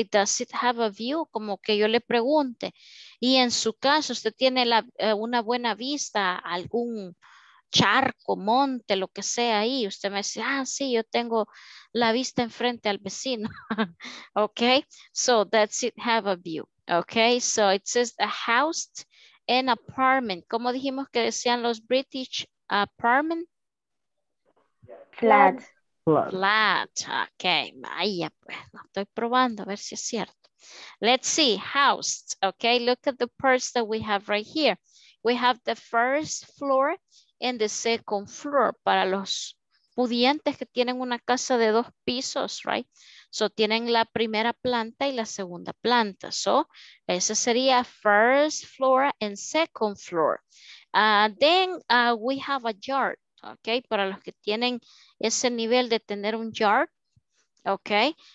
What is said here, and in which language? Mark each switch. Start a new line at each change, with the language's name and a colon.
English: Does it have a view?
Spanish: Como que yo le pregunte. Y en su caso, usted tiene una buena vista, algún charco, monte, lo que sea ahí. Usted me dice, ah, sí, yo tengo la vista enfrente al vecino, ¿ok?
English: So, does it have a view? Okay, so it says a house and apartment.
Spanish: ¿Cómo dijimos que decían los British apartment?
English: Flat. Flat.
Spanish: Okay, vaya pues, lo estoy probando a ver si es cierto.
English: Let's see, house. Okay, look at the parts that we have right here. We have the first floor and the second floor.
Spanish: Para los pudientes que tienen una casa de dos pisos, right? So, tienen la primera planta y la segunda planta.
English: So,
Spanish: ese sería
English: first floor and second floor. Then we have a yard, okay?
Spanish: Para los que tienen ese nivel de tener un yard, okay?